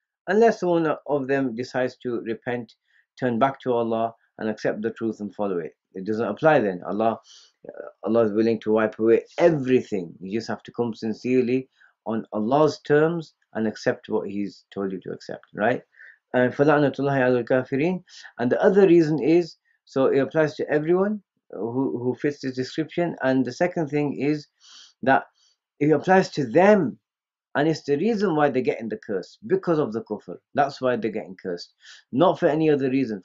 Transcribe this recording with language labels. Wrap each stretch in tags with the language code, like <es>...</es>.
<en>Unless one of them decides to repent, turn back to Allah and accept the truth and follow it, it doesn't apply then. Allah is willing to wipe away everything. You just have to come sincerely on Allah's terms and accept what he's told you to accept, right?</en> <ar>And فَلَعْنَةُ اللَّهِ عَلَى الْكَافِرِينَ.</ar> <en>And the other reason is, so it applies to everyone who fits this description. And the second thing is that it applies to them. And it's the reason why they're getting the curse, because of the kufr. That's why they're getting cursed. Not for any other reason.</en>